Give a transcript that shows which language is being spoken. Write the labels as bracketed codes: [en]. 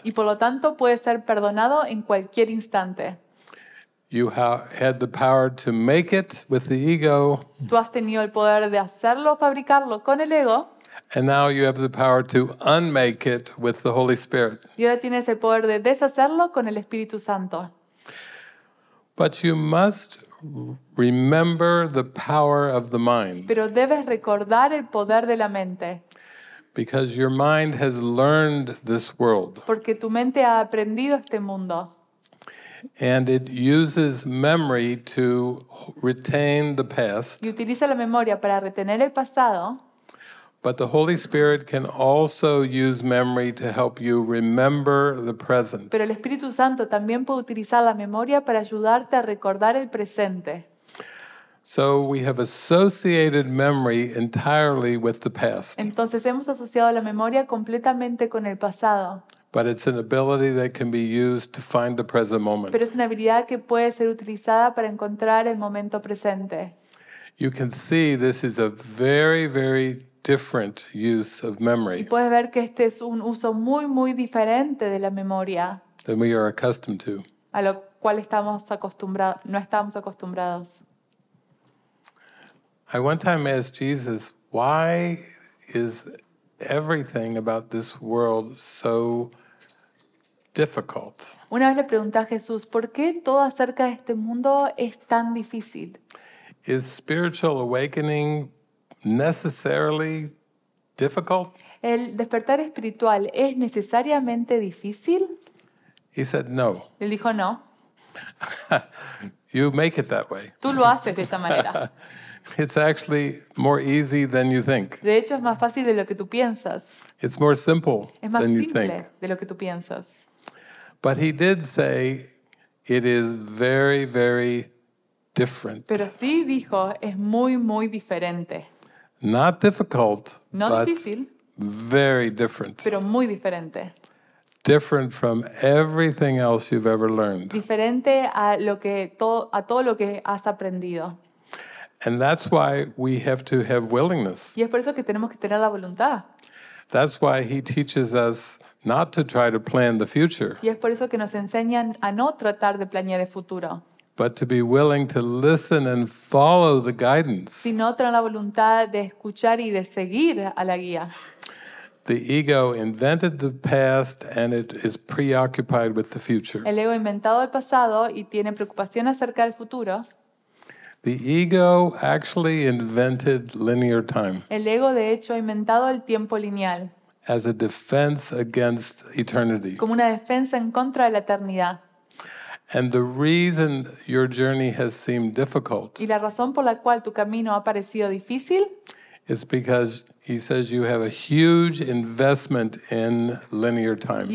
[es] Y por lo tanto puede ser perdonado en cualquier instante. [en] You had the power to make it with the ego. [es] Tú has tenido el poder de hacerlo, fabricarlo con el ego. [en] And now you have the power to unmake it with the Holy Spirit. [es] Y ahora tienes el poder de deshacerlo con el Espíritu Santo. [en] But you must remember the power of the mind. [es] Pero debes recordar el poder de la mente. [en] Because your mind has learned this world. [es] Porque tu mente ha aprendido este mundo. [en] And it uses memory to retain the past. [es] Y utiliza la memoria para retener el pasado. [en] But the Holy Spirit can also use memory to help you remember the present. [es] Pero el Espíritu Santo también puede utilizar la memoria para ayudarte a recordar el presente. [en] So we have associated memory entirely with the past. [es] Entonces hemos asociado la memoria completamente con el pasado. [en] But it's an ability that can be used to find the present moment. [es] Pero es una habilidad que puede ser utilizada para encontrar el momento presente. [en] You can see this is a very, very different use of memory. [es] Y puedes ver que este es un uso muy, muy diferente de la memoria. [en] Than we are accustomed to. [es] A lo cual estamos acostumbrados, no estamos acostumbrados. [en] I one time asked Jesus, why is everything about this world so difficult? [es] Una vez le pregunté a Jesús, ¿por qué todo acerca de este mundo es tan difícil? [en] Is spiritual awakening necessarily difficult? [es] ¿El despertar espiritual es necesariamente difícil? [en] He said no. [es] Él dijo no. [en] You make it that way. [es] Tú lo haces de esa manera. [en] It's actually more easy than you think. [es] De hecho, es más fácil de lo que tú piensas. [en] It's more simple than you think. [es] Es más simple de lo que tú piensas. [en] But he did say it is very, very different. [es] Pero sí dijo, es muy, muy diferente. [en] Not difficult, [es] no [en] but [es] difícil, [en] very different. [es] Pero muy diferente. [en] Different from everything else you've ever learned. [es] Diferente a lo que a todo lo que has aprendido. [en] And that's why we have to have willingness. [es] Y es por eso que tenemos que tener la voluntad. [en] That's why he teaches us not to try to plan the future. [es] Y es por eso que nos enseñan a no tratar de planear el futuro. [en] But to be willing to listen and follow the guidance. [es] Sino tener la voluntad de escuchar y de seguir a la guía. [en] The ego invented the past and it is preoccupied with the future. [es] El ego ha inventado el pasado y tiene preocupación acerca del futuro. [en] The ego actually invented linear time. [es] El ego de hecho ha inventado el tiempo lineal. [en] As a defense against eternity. [es] Como una defensa en contra de la eternidad. [en] And the reason your journey has seemed difficult. [es] Y la razón por la cual tu camino ha parecido difícil. [en] Is because he says you have a huge investment in linear time.